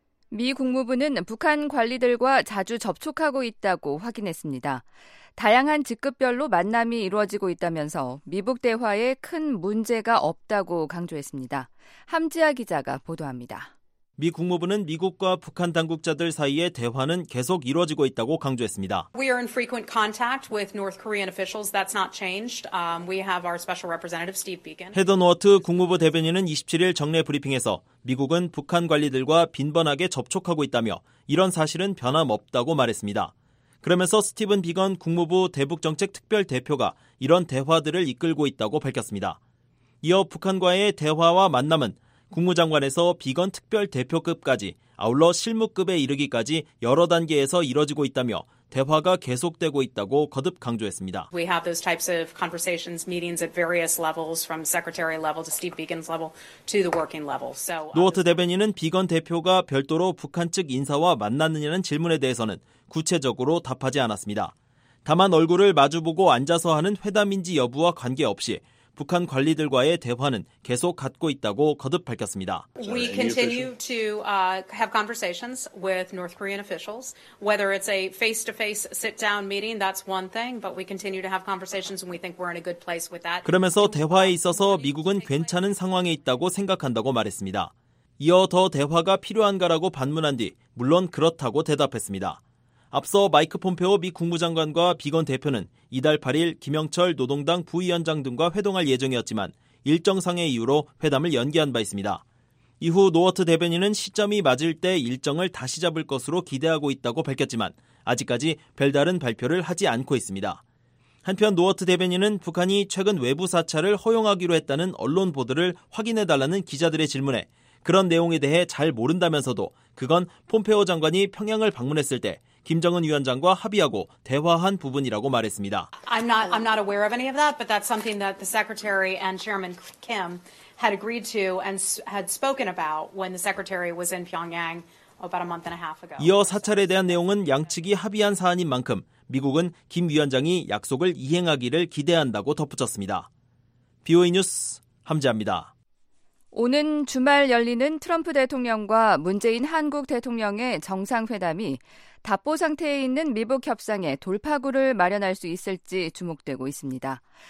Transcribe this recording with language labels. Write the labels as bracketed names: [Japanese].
[Korean] 미 국무부는 북한 관리들과 자주 접촉하고 있다고 확인했습니다. 다양한 직급별로 만남이 이루어지고 있다면서 미북 대화에 큰 문제가 없다고 강조했습니다. 함지아 기자가 보도합니다. 미 국무부는 미국과 북한 당국자들 사이의 대화는 계속 이루어지고 있다고 강조했습니다. [English] We are in frequent contact with North Korean officials. That's not changed. We have our special representative Steve Beacon. [Korean] 헤더 노어트 국무부 대변인은 27일 정례 브리핑에서 미국은 북한 관리들과 빈번하게 접촉하고 있다며 이런 사실은 변함없다고 말했습니다. 그러면서 스티븐 비건 국무부 대북정책특별대표가 이런 대화들을 이끌고 있다고 밝혔습니다. 이어 북한과의 대화와 만남은 국무장관에서 비건 특별대표급까지 아울러 실무급에 이르기까지 여러 단계에서 이뤄지고 있다며 대화가 계속되고 있다고 거듭 강조했습니다. [English] We have those types of conversations, meetings at various levels, from secretary level to Steve Beacon's level to the working level. So [Korean] 노어트 대변인은 비건 대표가 별도로 북한 측 인사와 만났느냐는 질문에 대해서는 구체적으로 답하지 않았습니다. 다만 얼굴을 마주보고 앉아서 하는 회담인지 여부와 관계없이 북한 관리들과의 대화는 계속 갖고 있다고 거듭 밝혔습니다. [English] We continue to have conversations with North Korean officials. Whether it's a face-to-face sit-down meeting, that's one thing, but we continue to have conversations and we think we're in a good place with that. [Korean] 그러면서 대화에 있어서 미국은 괜찮은 상황에 있다고 생각한다고 말했습니다. 이어 더 대화가 필요한가라고 반문한 뒤 물론 그렇다고 대답했습니다. 앞서 마이크 폼페오 미 국무장관과 비건 대표는 이달 8일 김영철 노동당 부위원장 등과 회동할 예정이었지만 일정상의 이유로 회담을 연기한 바 있습니다. 이후 노어트 대변인은 시점이 맞을 때 일정을 다시 잡을 것으로 기대하고 있다고 밝혔지만 아직까지 별다른 발표를 하지 않고 있습니다. 한편 노어트 대변인은 북한이 최근 외부 사찰을 허용하기로 했다는 언론 보도를 확인해달라는 기자들의 질문에 그런 내용에 대해 잘 모른다면서도 그건 폼페오 장관이 평양을 방문했을 때 김정은 위원장과 합의하고 대화한 부분이라고 말했습니다. [English] I'm not aware of any of that, but that's something that the secretary and chairman Kim had agreed to and had spoken about when the secretary was in Pyongyang about a month and a half ago. [Korean] 이어 사찰에 대한 내용은 양측이 합의한 사안인 만큼 미국은 김 위원장이 약속을 이행하기를 기대한다고 덧붙였습니다. BOA 뉴스 함지아입니다. 오는 주말 열리는 트럼프 대통령과 문재인 한국 대통령의 정상회담이 답보 상태에 있는 미북 협상에 돌파구를 마련할 수 있을지 주목되고 있습니다.